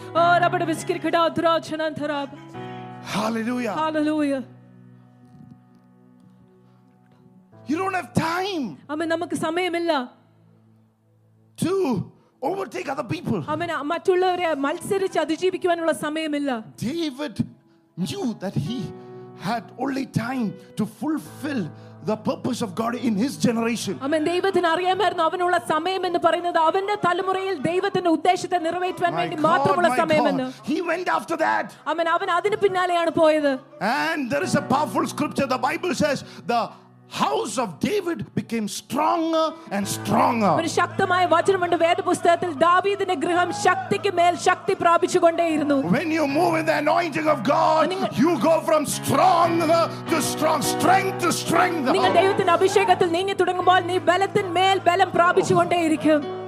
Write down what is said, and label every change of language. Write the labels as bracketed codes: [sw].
[en] ഓ റബ്ബേ വിസ്കിർക്കട ആദരാധനന്തരാബ്. Hallelujah. Hallelujah. You don't have time. [ml] അമ്മ നമുക്ക് സമയമില്ല. [en] To overtake other people. Amen. [ml] മറ്റുള്ളവരെ മത്സരിച്ച് അതിജീവിക്കാനുള്ള സമയമില്ല. [en] David knew that he had only time to fulfill the purpose of God in his generation. Amen. [ml] ദൈവത്തിന് അറിയാമായിരുന്നു അവനുള്ള സമയം എന്ന് പറയുന്നത് അവന്റെ തലമുറയിൽ ദൈവത്തിന്റെ ഉദ്ദേശത്തെ നിറവേറ്റാൻ വേണ്ടി മാത്രമുള്ള സമയമെന്ന്. [en] He went after that. [ml] Amen. അവൻ അതിനു പിന്നാലെയാണ് പോയത്. [en] And there is a powerful scripture. The Bible says the house of David became stronger and stronger. [ml] ഒരു ശക്തമായ വചനമുണ്ട് വേദപുസ്തകത്തിൽ ദാവീദിന്റെ ഗൃഹം ശക്തിക്കുമേൽ ശക്തി പ്രാപിച്ചുകൊണ്ടേയിരുന്നു. [en] When you move in the anointing of God, you go from stronger to strong, strength to strength. [ml] നിങ്ങൾ ദൈവത്തിന്റെ അഭിഷേകത്തിൽ നീങ്ങി തുടങ്ങുമ്പോൾ നീ ബലത്തിന്മേൽ ബലം പ്രാപിച്ചുകൊണ്ടേയിരിക്കും.